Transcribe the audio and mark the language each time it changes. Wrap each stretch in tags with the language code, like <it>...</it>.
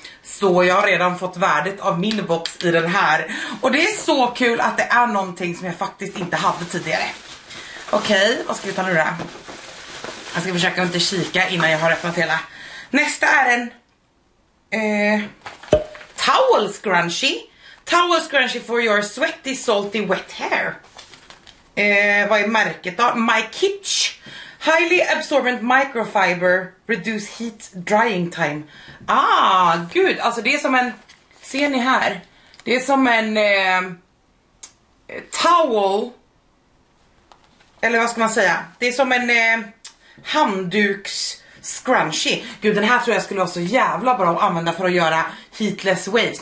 <sv>Så jag har redan fått värdet av min box i den här. Och det är så kul att det är någonting som jag faktiskt inte hade tidigare. Okej, okay, vad ska vi ta nu då? Jag ska försöka inte kika innan jag har öppnat hela. Nästa är en towel scrunchie.</sv> <en>Towel scrunchie for your sweaty, salty, wet hair.</en> <sv>Vad är märket då?</sv> <en>My Kitsch. Highly absorbent microfiber, reduce heat drying time.</en> <sv>Ah, gud, alltså det är som en, ser ni här? Det är som en towel, eller vad ska man säga? Det är som en handduks scrunchie. Gud, den här tror jag skulle vara så jävla bra att använda för att göra heatless waves.</sv>